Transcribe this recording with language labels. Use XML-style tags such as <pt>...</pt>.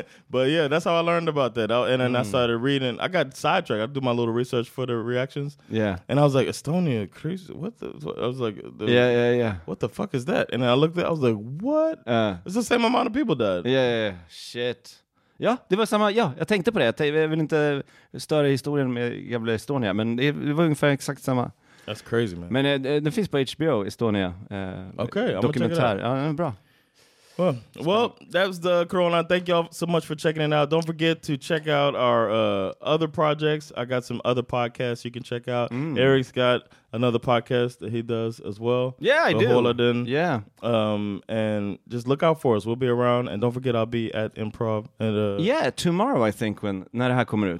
<en>but yeah, that's how I learned about that. And then I started reading. I got sidetracked. I do my little research for the reactions. Yeah. And I was like, Estonia, crazy. What the? I was like, what the fuck is that? And then I looked at it. I was like, what? It's the same amount of people died.</en> <sv>Yeah. Shit. Ja, det var samma. Ja, jag tänkte på det. Jag vill inte störa historien med jävla Estonia, men det var ungefär exakt samma.</sv> <en>That's crazy, man.</en> <sv>Men det finns på HBO, Estonia.</sv> <en>Okay,</en> <sv>dokumentär.</sv> <en>I'm gonna check it out.</en> <sv>Ja, bra.</sv> <en>Well, that was the Corona. Thank y'all so much for checking it out. Don't forget to check out our other projects. I got some other podcasts you can check out. Mm. Eric's got another podcast that he does as well. Yeah, I do. Holodin. Yeah. And just look out for us. We'll be around. And don't forget, I'll be at Improv. And, yeah, tomorrow, I think, when</en> <sv>när det här kommer ut.</sv>